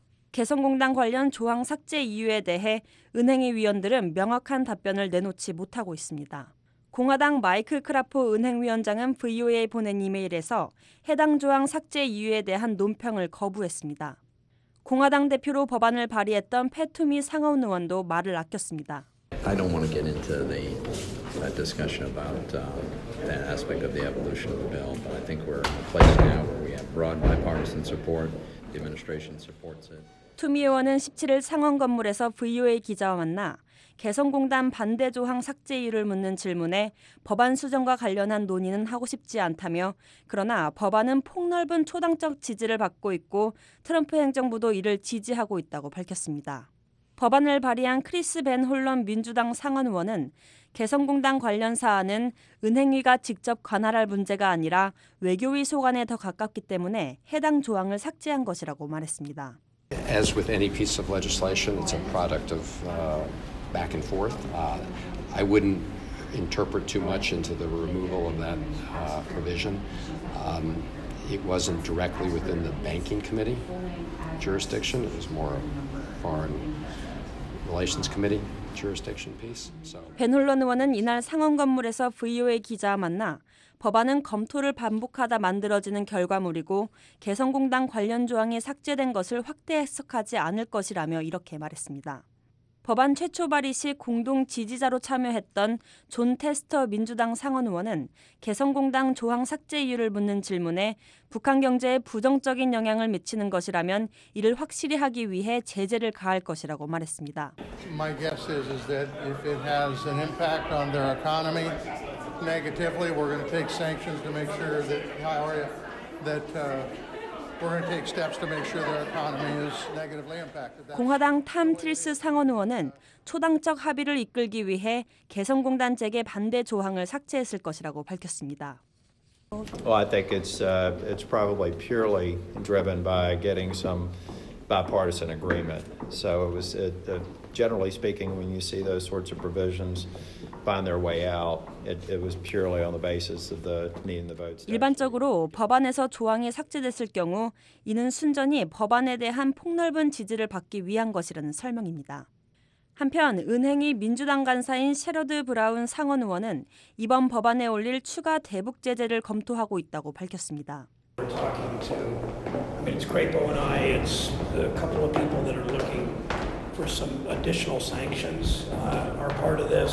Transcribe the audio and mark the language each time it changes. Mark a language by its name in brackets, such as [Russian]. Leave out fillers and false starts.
[Korean] 개성공단 관련 조항 삭제 이유에 대해 은행의 위원들은 명확한 답변을 내놓지 못하고 있습니다. 공화당 마이크 크라포 은행위원장은 VOA에 보낸 이메일에서 해당 조항 삭제 이유에 대한 논평을 거부했습니다. 공화당 대표로 법안을 발의했던 페투미 상원 의원도 말을 아꼈습니다. [English] I don't want to get into the discussion about that aspect of the evolution of the bill, but I think we're in a place now where we have broad bipartisan support. The administration supports it. [Korean] 투미 의원은 17일 상원 건물에서 VOA 기자와 만나 개성공단 반대 조항 삭제 이유를 묻는 질문에 법안 수정과 관련한 논의는 하고 싶지 않다며 그러나 법안은 폭넓은 초당적 지지를 받고 있고 트럼프 행정부도 이를 지지하고 있다고 밝혔습니다. 법안을 발의한 크리스 벤 홀런 민주당 상원 의원은 개성공단 관련 사안은 은행위가 직접 관할할 문제가 아니라 외교위 소관에 더 가깝기 때문에 해당 조항을 삭제한 것이라고 말했습니다. [English] As with any piece of legislation, it's a product of back and forth. I wouldn't interpret too much into the removal of that provision. It wasn't directly within the banking committee jurisdiction. It was more foreign relations committee jurisdiction piece. So. [Korean] 벤 홀런 의원은 이날 상원 건물에서 VOA 기자와 만나 법안은 검토를 반복하다 만들어지는 결과물이고 개성공단 관련 조항이 삭제된 것을 확대 해석하지 않을 것이라며 이렇게 말했습니다. 법안 최초 발의 시 공동 지지자로 참여했던 존 테스터 민주당 상원 의원은 개성공단 조항 삭제 이유를 묻는 질문에 북한 경제에 부정적인 영향을 미치는 것이라면 이를 확실히 하기 위해 제재를 가할 것이라고 말했습니다. [English] My guess is that if it has an impact on their economy negatively, we're going to take sanctions to make sure we're going to take steps to make sure their economy is negatively impacted. [Korean] 공화당 탐 틸스 상원 의원은 초당적 합의를 이끌기 위해 개성공단 재개 반대 조항을 삭제했을 것이라고 밝혔습니다. [English] Well, I think it's probably purely driven by getting some bipartisan agreement. So generally speaking, when you see those sorts of provisions find their way out, it was purely on the basis of the needing the votes. [Korean] 일반적으로 법안에서 조항이 삭제됐을 경우 이는 순전히 법안에 대한 폭넓은 지지를 받기 위한 것이라는 설명입니다. 한편 은행위 민주당 간사인 셰러드 브라운 상원 의원은 이번 법안에 올릴 추가 대북 제재를 검토하고 있다고 밝혔습니다. [English] It's Crapo and I. It's a couple of people that are looking for some additional sanctions are part of this.